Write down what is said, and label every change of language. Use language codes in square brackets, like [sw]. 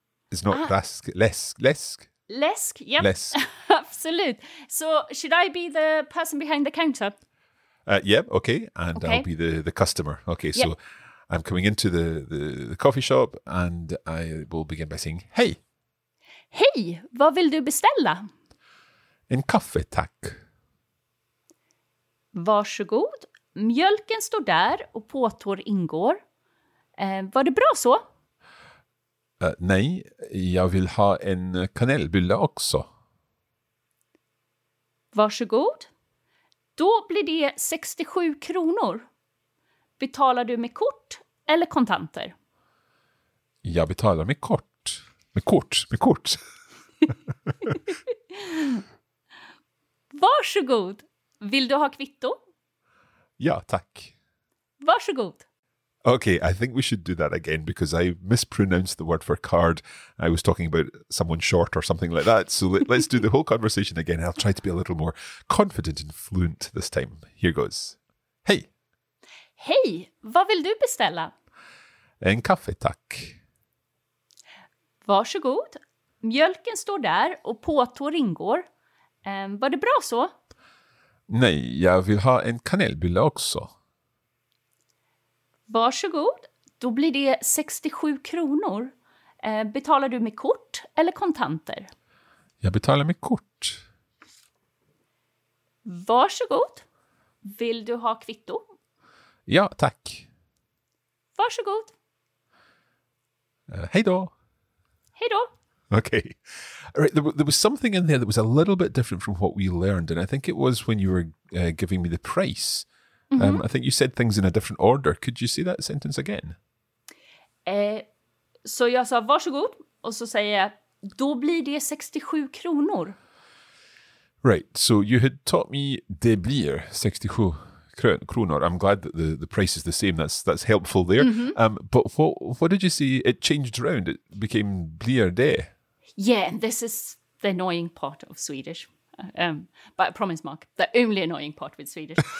[en] it's not lask, lesk. Lesk, yep. Lesk. Absolute. So should I be the person behind the counter? Yep, okay. And okay. I'll be the customer. Okay, yep. So I'm coming into the coffee shop and I will begin by saying, hey. [sv] Hej, vad vill du beställa? En kaffe, tack. Varsågod. Mjölken står där och påtår ingår. Var det bra så? Nej, jag vill ha en kanelbulle också. Varsågod. Då blir det 67 kronor. Betalar du med kort eller kontanter? Jag betalar med kort. Med kort. Varsågod. Vill du ha kvitto? Ja, tack. Varsågod. [en] Okay, I think we should do that again because I mispronounced the word for card. I was talking about someone short or something like that. So let's do the whole conversation again. I'll try to be a little more confident and fluent this time. Here goes. Hey. [sv] Hey, vad vill du beställa? En kaffe, tack. Varsågod. Mjölken står där och påtår ingår. Var det bra så? Nej, jag vill ha en kanelbulle också. Varsågod. Då blir det 67 kronor. Betalar du med kort eller kontanter? Jag betalar med kort. Varsågod. Vill du ha kvitto? Ja, tack. Varsågod. Hej då. Hej då. [en] Okay. All right. There was something in there that was a little bit different from what we learned. And I think it was when you were giving me the price. Mm-hmm. I think you said things in a different order. Could you say that sentence again? [sv] Så jag sa varsågod och så säger jag då blir det 67 kronor. [en] Right, so you had taught me [sv] det blir 67 kronor. [en] I'm glad that the price is the same. That's helpful there. Mm-hmm. But what did you say? It changed around. It became [sv] blir det. [en] Yeah, this is the annoying part of Swedish. But I promise, Mark, the only annoying part with Swedish.